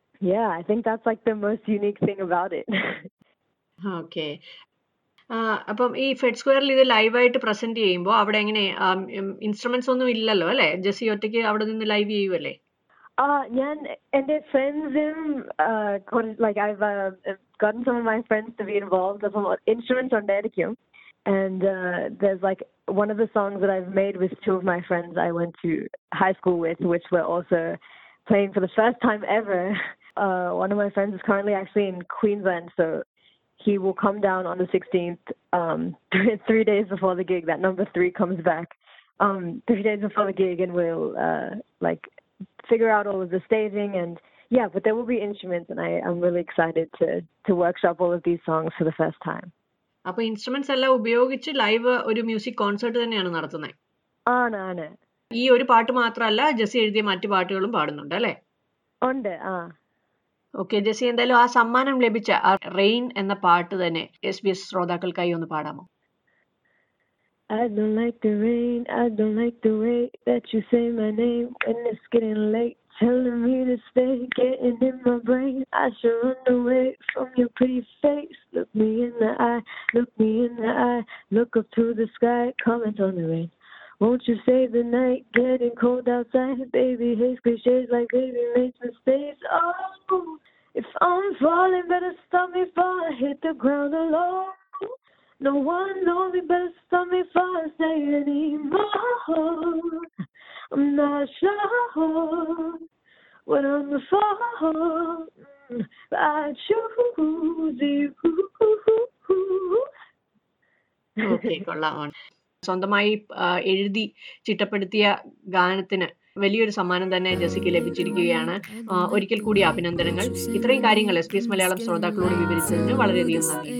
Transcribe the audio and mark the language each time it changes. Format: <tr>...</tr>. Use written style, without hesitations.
<en>Yeah, I think that's like the most unique thing about it. Okay.</en> <ml>അപ്പം ഈ fed സ്ക്വയറിൽ ഇത് live ആയിട്ട് പ്രസന്റ് ചെയ്യുമ്പോൾ അവിടെ എങ്ങനെ ഇൻസ്ട്രുമെന്റ്സ് ഒന്നും ഇല്ലല്ലോ അല്ലേ? ജസ്സി ഒറ്റയ്ക്ക് അവിടെ നിന്ന് ലൈവ് ചെയ്യുമല്ലേ? ഞാൻ എന്റെ ഫ്രണ്ട്സും,</ml> <en>like I have gotten some of my friends to be involved,</en> <ml>അപ്പോൾ ഇൻസ്ട്രുമെന്റ്സ് ഉണ്ടായിരിക്കും.</ml> <en>And there's like one of the songs that I've made with two of my friends I went to high school with, which we're also playing for the first time ever. One of my friends is currently actually in Queensland, so he will come down on the 16th, 3 days before the gig. That number 3 comes back 3 days before the gig, and we'll like figure out all of the staging, and yeah, but there will be instruments, and I'm really excited to workshop all of these songs for the first time.</en> <ml>അപ്പൊ instruments എല്ലാം ഉപയോഗിച്ച് live ഒരു music concert തന്നെയാണ് നടത്തുന്നത്. ആണ്. ഈ ഒരു പാട്ട് മാത്രമല്ല, ജെസ്സി എഴുതിയ മറ്റു പാട്ടുകളും പാടുന്നുണ്ട് അല്ലേ? ഉണ്ട്. ഓക്കെ, ജെസ്സി എന്തായാലും ആ സമ്മാനം ലഭിച്ച ആ റെയിൻ എന്ന പാട്ട് തന്നെ SBS ശ്രോതാക്കൾക്കായി ഒന്ന് പാടാമോ?</ml> <en>I don't like the rain, I don't like the way that you say my name, and it's getting late, telling me to stay, getting in my brain, I should run away from your pretty face, look me in the eye, look me in the eye, look up to the sky, comment on the rain, won't you stay the night, getting cold outside, baby hates cliches like baby makes mistakes, oh, if I'm falling, better stop me before I hit the ground alone. No one knows me better, stop me if I stay anymore. I'm not sure what I'm for, but I choose you.</en> <ml>Okay, കൊള്ളാം. സ്വന്തമായി എഴുതി ചിട്ടപ്പെടുത്തിയ ഗാനത്തിന് വലിയൊരു സമ്മാനം തന്നെ ജെസ്സിക്ക് ലഭിച്ചിരിക്കുകയാണ്. ഒരിക്കൽ കൂടി അഭിനന്ദനങ്ങൾ. ഇത്രയും കാര്യങ്ങൾ SBS മലയാളം ശ്രോതാക്കളോട് വിവരിച്ചതിന് വളരെയധികം നന്ദി</ml>